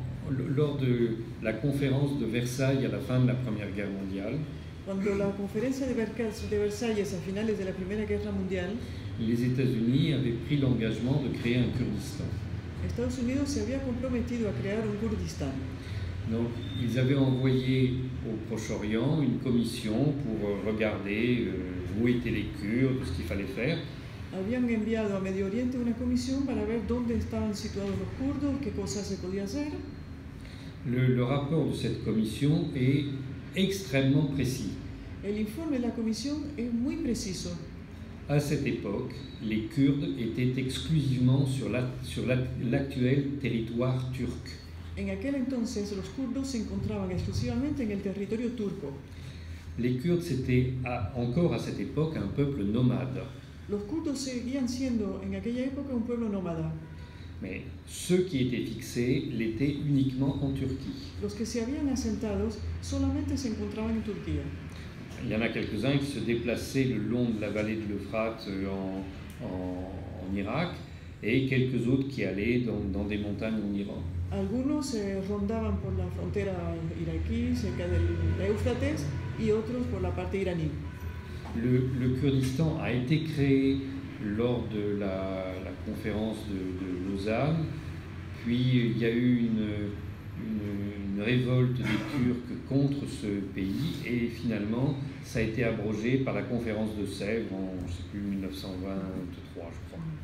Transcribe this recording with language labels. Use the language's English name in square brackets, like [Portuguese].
[French] Lors de la conférence de Versailles à la fin de la Première Guerre mondiale. [Spanish] Cuando la conferencia de Versalles a finales de la Primera Guerra Mundial. [French] Les États-Unis avaient pris l'engagement de créer un Kurdistan. [Spanish] Estados Unidos se había comprometido a crear un Kurdistán. [French] Donc, ils avaient envoyé au Proche-Orient une commission pour regarder où étaient les Kurdes, ce qu'il fallait faire. [Spanish] Habían enviado a Medio Oriente una comisión para ver dónde estaban situados los kurdos, qué cosas se podía hacer. [French] Le rapport de cette commission est extrêmement précis. [Spanish] El informe de la comisión es muy preciso. [French] À cette époque, les Kurdes étaient exclusivement sur l'actuel territoire turc. [Spanish] En aquel entonces, los kurdos se encontraban exclusivamente en el territorio turco. [French] Les Kurdes étaient encore à cette époque un peuple nomade. [Spanish] Los kurdos seguían siendo en aquella época un pueblo nómada. [French] Mais ceux qui étaient fixés l'étaient uniquement en Turquie. [Spanish] Los que se habían asentado solamente se encontraban en Turquía. [French] Il y en a quelques-uns qui se déplaçaient le long de la vallée de l'Euphrate en Irak et quelques autres qui allaient dans des montagnes en Iran. [Spanish] Algunos se rondaban por la frontera iraquí cerca del Éufrates y otros por la parte iraní. [French] Le Kurdistan a été créé lors de la conférence de Lausanne, puis il y a eu une révolte des Turcs contre ce pays, et finalement ça a été abrogé par la conférence de Sèvres en, je sais plus, 1923, je crois.